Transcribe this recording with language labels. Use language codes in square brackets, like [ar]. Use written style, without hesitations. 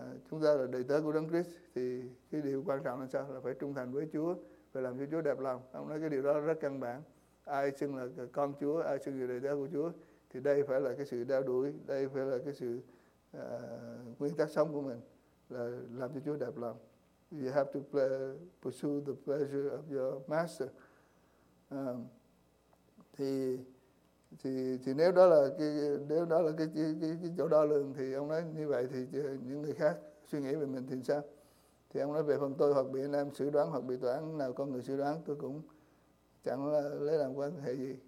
[vi] chúng ta là đời tớ của Đấng Christ, thì cái điều quan trọng là sao? Là phải trung thành với Chúa, phải làm cho Chúa đẹp lòng. Ông nói cái điều đó rất căn bản. Ai xưng là con Chúa, ai xưng là đời tớ của Chúa, thì đây phải là cái sự đeo đuổi, đây phải là cái sự nguyên tắc sống của mình, là làm cho Chúa đẹp lòng. [en] You have to pursue the pleasure of your master. [vi] Thì nếu đó là cái chỗ đo lường, thì ông nói như vậy thì những người khác suy nghĩ về mình thì sao? Thì ông nói về phần tôi, hoặc bị anh em xử đoán, hoặc bị tòa án nào con người xử đoán, tôi cũng chẳng lấy làm quan hệ gì.